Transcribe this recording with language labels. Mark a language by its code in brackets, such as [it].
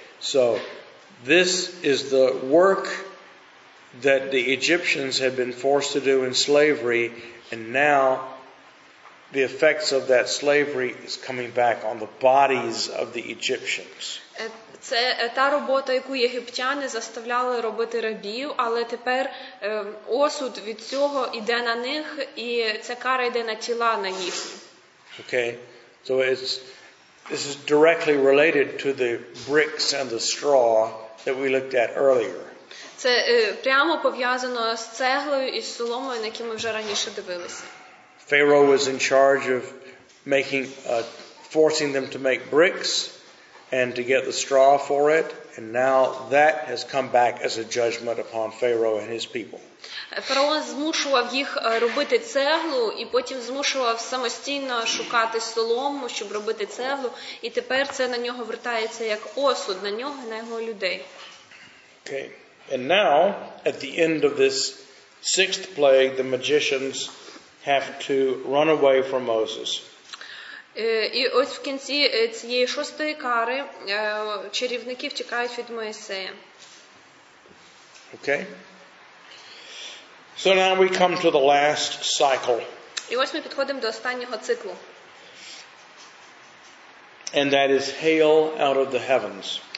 [en] So this is the work that the Egyptians had been forced to do in slavery, and now the effects of that slavery is coming back on the bodies of the Egyptians. [uk] Це та робота, яку єгиптяни заставляли робити рабів, але тепер осуд від цього іде на них, і ця кара йде на тіла на їх. [en] Okay. So this is directly related to the bricks and the straw that we looked at earlier. [uk] Це прямо пов'язано з цеглою і з соломою, на які ми вже раніше дивилися. [en] Pharaoh was in charge of making forcing them to make bricks and to get the straw for it, and now that has come back as a judgment upon Pharaoh and his people. [uk] Фараон змушував їх робити цеглу і потім змушував самостійно шукати солому, щоб робити цеглу, і тепер це на нього вертається як осуд на нього і на його людей. [en] Okay. And now at the end of this sixth plague, the magicians have to run away from Moses. [uk] І ось в кінці цієї шостої кари чарівники втікають від Мойсея. [en] Okay. So now we come to the last cycle. [uk] І ось ми підходимо до останнього циклу. [en] And that is hail out of the heavens.